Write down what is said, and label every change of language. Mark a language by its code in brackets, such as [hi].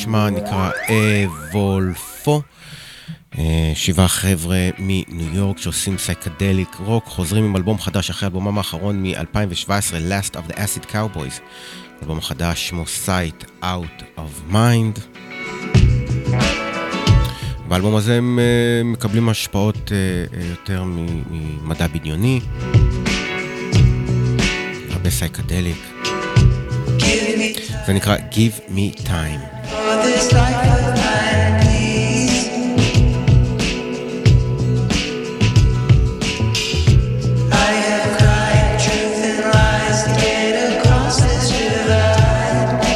[he] נקרא אבולפו, שבעה חבר'ה מניו יורק שעושים סייקדליק רוק, חוזרים עם אלבום חדש אחרי אלבומם האחרון מ-2017, Last of the Acid Cowboys. אלבום חדש שמו Sight Out of Mind. באלבום הזה הם מקבלים השפעות יותר ממדע בדיוני, הרבה סייקדליק. זה נקרא [en] Give Me Time. This life of mine needs I have cried truth and lies to get across this divide